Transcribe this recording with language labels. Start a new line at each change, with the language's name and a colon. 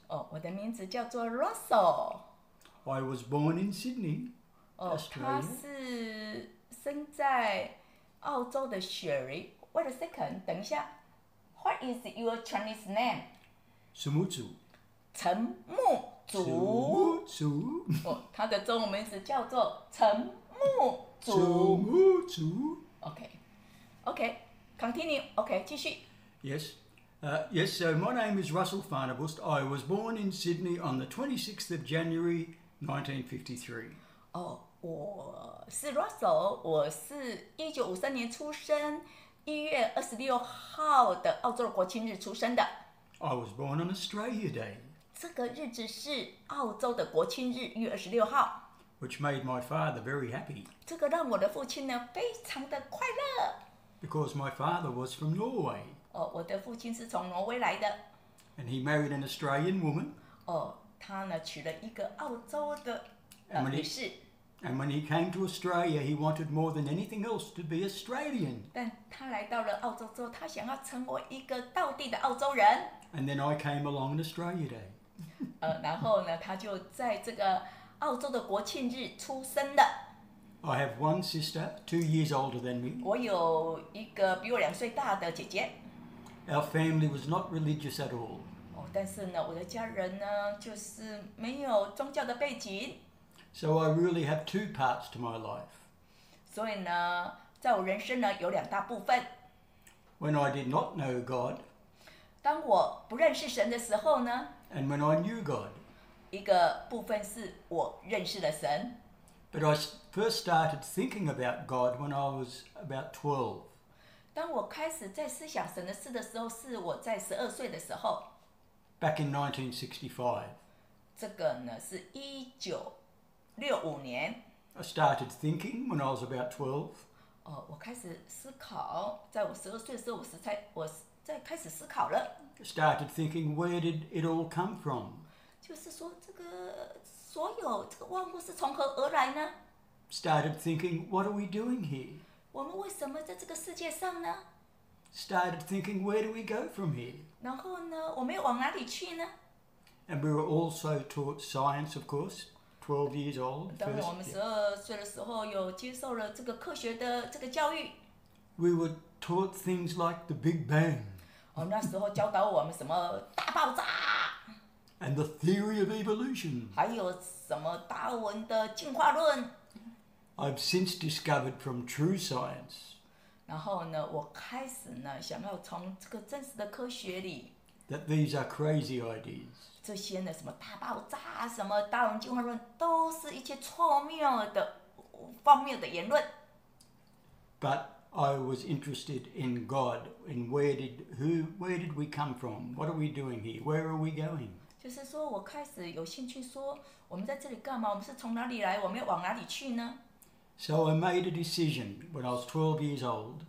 Chinese: Oh, 我的名字叫做 Russell.
English: I was born in Sydney, Australia.
Chinese: 他是生在澳洲的雪梨。
English: Wait a second,
Chinese: 等一下。
English: What is your Chinese name?
Chinese: 陈木祖。陈木祖。祖哦，他的中文名字叫做陈木祖。陈木祖。
English: OK，continue. Okay,
Chinese: 继续。
English: Yes. Yes. So my name is Russell Farnabust. I was born in Sydney on the 26th of January 1953.
Chinese: 哦，我是 Russell. 我是1953年出生。 1月26号的澳洲国庆日出生的。
English: I was born on Australia Day.
Chinese: 这个日子是澳洲的国庆日1月26号。
English: Which made my father very happy.
Chinese: 这个让我的父亲呢非常的快乐。
English: Because my father was from Norway.
Chinese: 哦，我的父亲是从挪威来的。
English: And he married an Australian woman.
Chinese: 哦，他呢娶了一个澳洲的女士。
English: And when he came to Australia, he wanted more than anything else to be Australian.
Chinese: 但他来到了澳洲之后，他想要成为一个道地的澳洲人。
English: And then I came along on Australia Day.
Chinese: 然后呢，他就在这个澳洲的国庆日出生的。
English: I have one sister, 2 years older than me.
Chinese: 我有一个比我两岁大的姐姐。
English: Our family was not religious at all.
Chinese: 但是呢，我的家人呢，就是没有宗教的背景。
English: So I really have two parts to my life.
Chinese: 所以呢，在我人生呢有两大部分。
English: When I did not know God.
Chinese: 当我不认识神的时候呢。
English: And when I knew God.
Chinese: 一个部分是我认识了神。
English: But I first started thinking about God when I was about 12.
Chinese: 当我开始在思想神的事的时候，是我在十二岁的时候。
English: Back in 1965.
Chinese: 这个呢是一九。65年,
English: I started thinking when I was about 12.
Chinese: 我开始思考，在我十二岁的时候，我在开始思考了。
English: Started thinking, where did it all come from?
Chinese: 就是说，这个所有这个万物是从何而来呢？
English: Started thinking, what are we doing here?
Chinese: 我们为什么在这个世界上呢？
English: Started thinking, where do we go from here?
Chinese: 然后呢，我们要往哪里去呢？
English: And we were also taught science, of course. 12 years old.
Chinese: 当我们十二岁的时候，有接受了这个科学的这个教育。
English: We were taught things like the Big Bang.
Chinese: 那时候教导我们什么大爆炸。
English: And the theory of evolution.
Chinese: 还有什么达尔文的进化论。
English: I've since discovered from true science.
Chinese: 然后呢，我开始呢想要从这个真实的科学里。
English: That these are crazy ideas.
Chinese: 这些呢，什么大爆炸，什么达尔文进化论，都是一些错谬的、荒谬的言论。
English: But I was interested in God, in where did we come from? What are we doing here? Where are we going?
Chinese: 就是说我开始有兴趣说，我们在这里干嘛？我们是从哪里来？我们要往哪里去呢？
English: So I made a decision when I was 12 years old.